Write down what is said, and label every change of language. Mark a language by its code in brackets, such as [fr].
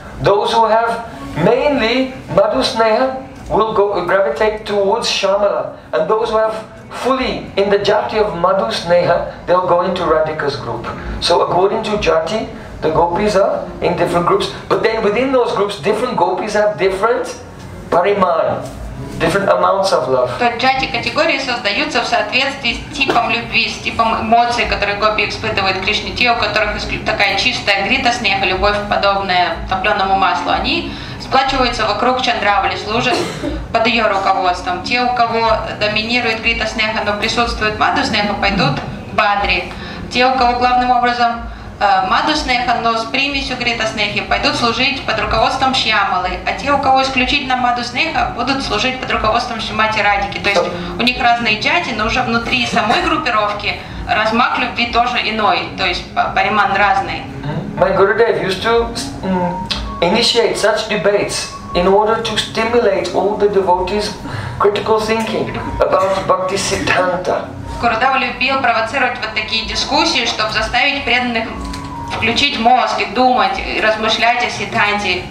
[en] Those who have mainly Madhu Sneha will go gravitate towards Shyamala. And those who have fully in the jati of Madhu Sneha, they'll go into Radhika's group. So according to jati, the gopis are in different groups. But then within those groups, different gopis have different Pariman, different amounts of love. [ru] То джати категории создаются в соответствии с типом любви, с типом эмоций, которые гопи испытывают к Кришне, те, у которых такая чистая грита снега, любовь подобная топленому маслу. Они сплачиваются вокруг Чандравали, служат под ее руководством. Те, у кого доминирует грита снега, но присутствует Мадху снега, пойдут в Бадри. Те, у кого главным образом Мадху Снеха, но с примесью Грита Снехи, пойдут служить под руководством Шьямалы, а те, у кого исключительно Мадху Снеха, будут служить под руководством Шримати Радики. То есть у них разные джати, но уже внутри самой группировки размах любви тоже иной, то есть париман разный. [en] My Gurudev used to initiate such debates in order to stimulate all the devotees' critical thinking about Bhakti Siddhanta. [ru] Гурудева любил провоцировать вот такие дискуссии, чтобы заставить преданных включить мозг и думать, и размышлять о Сиддханте,